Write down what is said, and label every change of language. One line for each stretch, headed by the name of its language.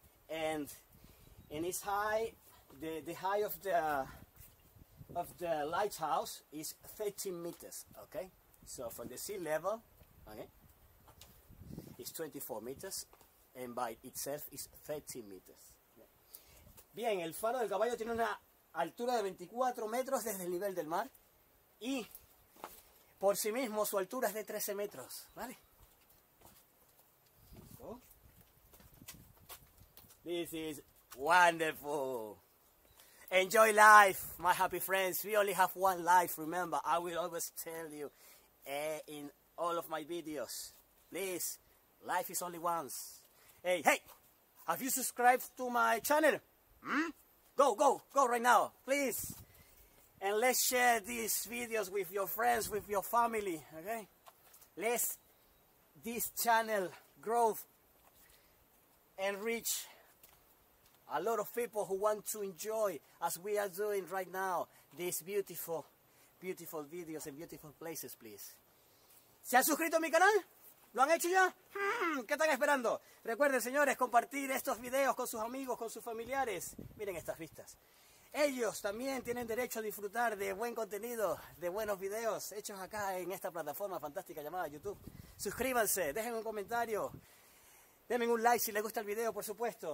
English: And it's high, the high of the lighthouse is 13 meters, okay? So from the sea level, okay, it's 24 meters, and by itself is 13 meters.
Spanish: Bien, el Faro del Caballo tiene una altura de 24 metros desde el nivel del mar, y... por sí mismo, su altura es de 13 metros, ¿vale?
English: This is wonderful. Enjoy life, my happy friends. We only have one life, remember. I will always tell you in all of my videos. Please, life is only once. Hey, have you subscribed to my channel? Go right now, please. And let's share these videos with your friends, with your family, okay? Let's this channel grow and reach a lot of people who want to enjoy, as we are doing right now, these beautiful, beautiful videos and beautiful places, please.
Spanish: ¿Se han suscrito a mi canal? ¿Lo han hecho ya? ¿Qué están esperando? Recuerden, señores, compartir estos videos con sus amigos, con sus familiares. Miren estas vistas. Ellos también tienen derecho a disfrutar de buen contenido, de buenos videos hechos acá en esta plataforma fantástica llamada YouTube. Suscríbanse, dejen un comentario, denme un like si les gusta el video, por supuesto.